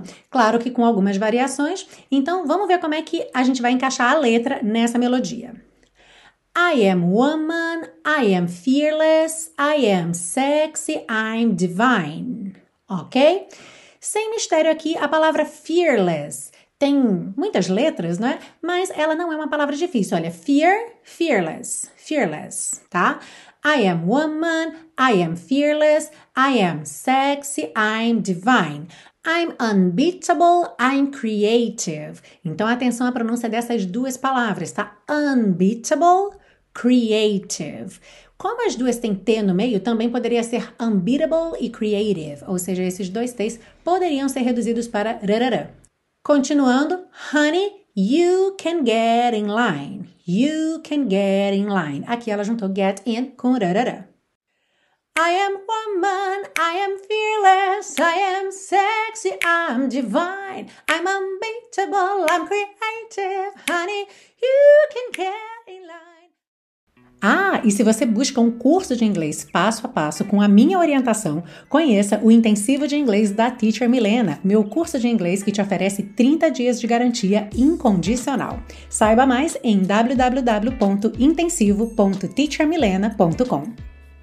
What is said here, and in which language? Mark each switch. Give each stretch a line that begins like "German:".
Portuguese: Claro que com algumas variações. Então, vamos ver como é que a gente vai encaixar a letra nessa melodia.
English: I am woman, I am fearless, I am sexy, I'm divine.
Portuguese: Ok? Sem mistério aqui, a palavra fearless tem muitas letras, não é? Mas ela não é uma palavra difícil. Olha, fear, fearless, fearless, tá?
English: I am woman, I am fearless, I am sexy, I'm divine. I'm unbeatable, I'm creative.
Portuguese: Então, atenção à pronúncia dessas duas palavras, tá? Unbeatable, creative. Como as duas têm T no meio, também poderia ser unbeatable e creative. Ou seja, esses dois T's poderiam ser reduzidos para rarara. Continuando,
English: honey, you can get in line. You can get in line.
Portuguese: Aqui ela juntou get in com rarara.
English: I am woman, I am fearless, I am sexy, I'm divine. I'm unbeatable, I'm creative, honey, you can get in line.
Portuguese: Ah, e se você busca um curso de inglês passo a passo com a minha orientação, conheça o Intensivo de Inglês da Teacher Milena, meu curso de inglês que te oferece 30 dias de garantia incondicional. Saiba mais em www.intensivo.teachermilena.com.